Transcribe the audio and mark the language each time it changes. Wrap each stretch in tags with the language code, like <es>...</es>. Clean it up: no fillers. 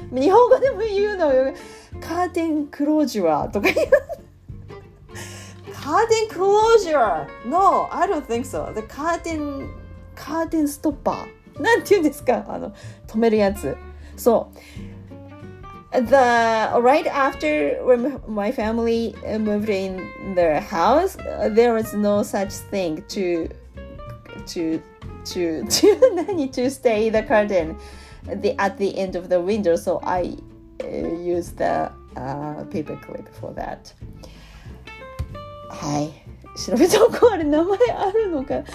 <ja>日本語でも言うのよ、カーテンクロージュアーとか言う、カーテンクロージュアー</ja> <en>No, I don't think so.</en> <ja>カーテンストッパーなんて言うんですか、あの止めるやつ、そう、</ja> <en>The right after when my family moved in their house, there was no such thing to stay the curtain at the end of the window. So I used the paper clip for that. Hi,</en> <ja>調べておこう、あれ名前あるのか。</ja>